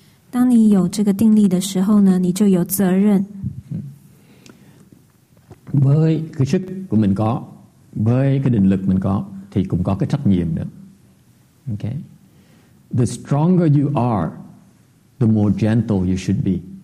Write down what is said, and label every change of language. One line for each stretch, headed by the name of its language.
Chinese: 当你有这个定力的时候呢，你就有责任。
Vietnamese: Với cái sức của mình có, với cái định lực mình có, thì cũng có cái trách nhiệm nữa.
English: Okay. The stronger you are, the more gentle you should be.